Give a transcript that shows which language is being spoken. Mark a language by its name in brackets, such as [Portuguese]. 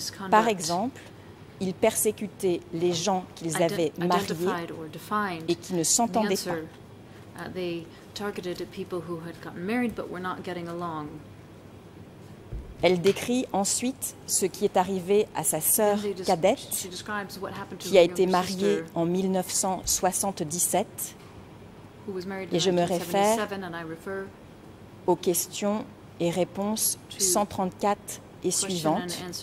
[French] Par exemple, ils persécutaient les gens qu'ils avaient mariés et qui ne s'entendaient pas. [English] They targeted people who had gotten married but were not getting along. [French] Elle décrit ensuite ce qui est arrivé à sa sœur cadette, qui a été mariée en 1977, et je me réfère aux questions et réponses 134 et suivantes.